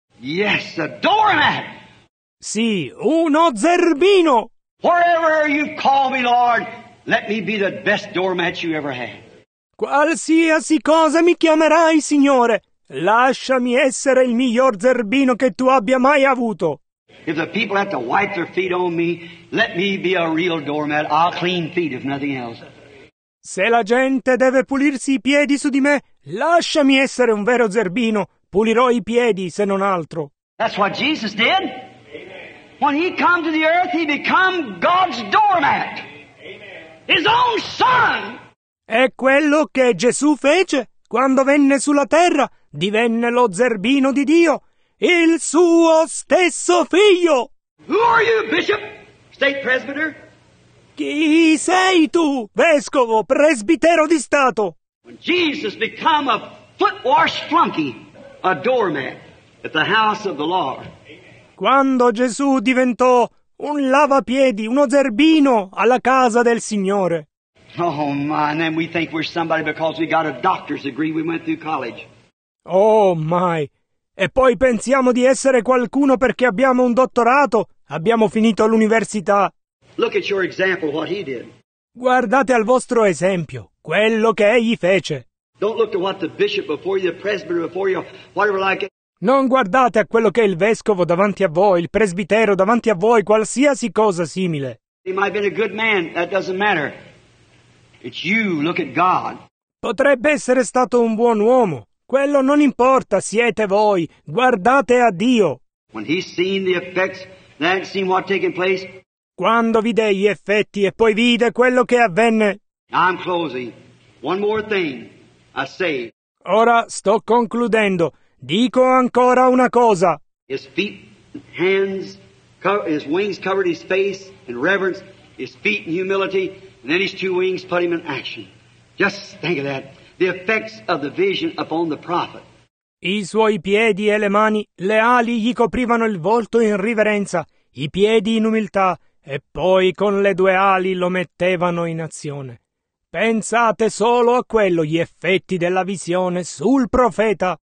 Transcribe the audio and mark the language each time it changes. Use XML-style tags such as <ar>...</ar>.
<en>Yes, a doormat.</en> <it>Sì, uno zerbino.</it> <en>Wherever you call me, Lord, let me be the best doormat you ever had.</en> <it>Qualsiasi cosa mi chiamerai, Signore, lasciami essere il miglior zerbino che tu abbia mai avuto.</it> <en>If the people have to wipe their feet on me, let me be a real doormat. I'll clean feet if nothing else.</en> <it>Se la gente deve pulirsi i piedi su di me, lasciami essere un vero zerbino. Pulirò i piedi, se non altro.</it> <en>That's what Jesus did. When he came to the earth, he became God's doormat. His own son.</en> <it>È quello che Gesù fece quando venne sulla terra. Divenne lo zerbino di Dio, il suo stesso figlio.</it> <en>Who are you, bishop? State presbyter?</en> <it>Chi sei tu, vescovo, presbitero di Stato?</it> <en>When Jesus became a foot-wash flunky, a doormat at the house of the Lord.</en> <it>Quando Gesù diventò un lavapiedi, uno zerbino alla casa del Signore.</it> <en>Oh my, and then we think we're somebody because we got a doctor's degree, we went through college.</en> <it>Oh my, e poi pensiamo di essere qualcuno perché abbiamo un dottorato, abbiamo finito l'università.</it> <en>Look at your example, what he did.</en> <it>Guardate al vostro esempio, quello che egli fece.</it> <en>Don't look to what the bishop before you, the presbyter before you, whatever like it.</en> <it>Non guardate a quello che è il vescovo davanti a voi, il presbitero davanti a voi, qualsiasi cosa simile.</it> <en>He might have been a good man, that doesn't matter. It's you, look at God.</en> <it>Potrebbe essere stato un buon uomo, quello non importa, siete voi, guardate a Dio.</it> <en>When he's seen the effects, then seen what taken place.</en> <it>Quando vide gli effetti e poi vide quello che avvenne.</it> <en>I'm closing. One more thing. I say,</en> <it>ora sto concludendo. Dico ancora una cosa.</it> <en>His feet, hands, his wings covered his face in reverence, his feet in humility, and then his two wings put him in action. Just think of that. The effects of the vision upon the prophet.</en> <it>I suoi piedi e le mani, le ali gli coprivano il volto in riverenza, i piedi in umiltà, e poi con le due ali lo mettevano in azione. Pensate solo a quello, gli effetti della visione sul profeta.</it>